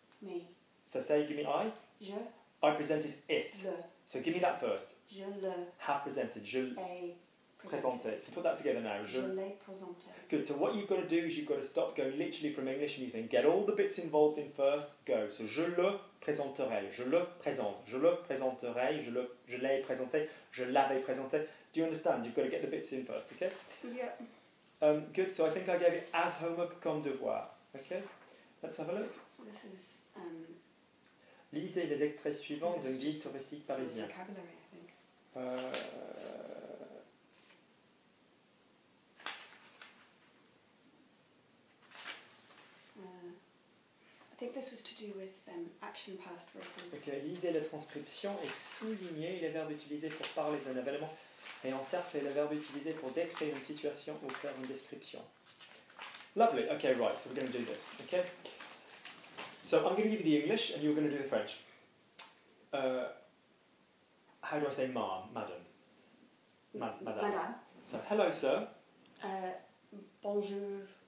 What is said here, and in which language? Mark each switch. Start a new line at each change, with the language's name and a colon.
English: Me. So say, give me I.
French: Je.
English: I presented it.
French: Le.
English: So give me that first.
French: Je le.
English: Have presented.
French: Je l'ai présenté.
English: So put that together now.
French: Je l'ai présenté.
English: Good. So what you've got to do is you've got to stop going literally from English and you think, get all the bits involved in first, go.
French: So je le présenterai, je le présente, je le présenterai, je l'ai présenté, je l'avais présenté.
English: Do you understand? You've got to get the bits in first, okay? Yeah. Good, so I think I gave it as homework
French: comme devoir,
English: okay? Let's have a look. This is...
French: Lisez les extraits suivants d'un guide touristique parisien.
English: Vocabulary, I think. I think this was to do with action past versus...
French: Okay, lisez la transcription et soulignez les verbes utilisés pour parler d'un événement et encerclez le verbe utilisé pour décrire une situation ou faire une description.
English: Lovely. Okay, right, so we're going to do this, okay? So I'm going to give you the English and you're going to do the French. How do I say ma'am, madam? Madame.
French: Madame.
English: So, hello, sir.
French: Bonjour.